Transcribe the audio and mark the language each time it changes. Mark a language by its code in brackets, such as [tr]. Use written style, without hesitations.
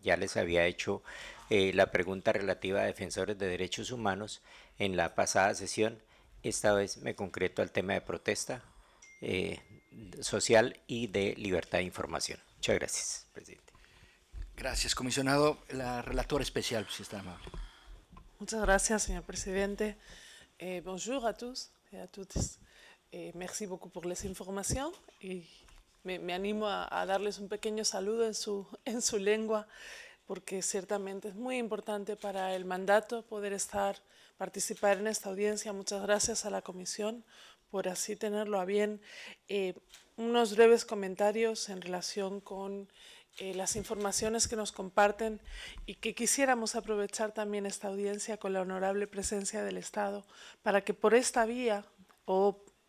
[es] Ya les había hecho la pregunta relativa a defensores de derechos humanos en la pasada sesión. Esta vez me concreto al tema de protesta social y de libertad de información. Muchas gracias, presidente. Gracias, comisionado. La relatora especial, si está amable. Muchas gracias, señor presidente. [fr] Bonjour a tous et à toutes. Merci beaucoup pour les informations. [es] Y me animo a darles un pequeño saludo en su lengua, porque ciertamente es muy importante para el mandato poder estar, participar en esta audiencia. Muchas gracias a la comisión por así tenerlo a bien. Unos breves comentarios en relación con las informaciones que nos comparten y que quisiéramos aprovechar también esta audiencia con la honorable presencia del Estado para que por esta vía o